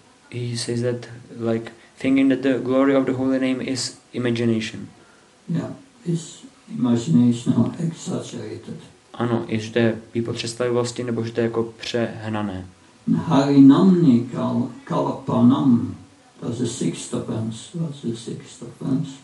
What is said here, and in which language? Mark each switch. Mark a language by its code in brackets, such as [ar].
[en] He says that like thinking that the glory of the holy name is imagination. Yeah, is imagination exaggerated. [cs] Ano, je, že to je výpod představivosti, nebo že to je jako přehnané. [en] Harinamni kalapanam, that's the sixth offense, that's the sixth offense.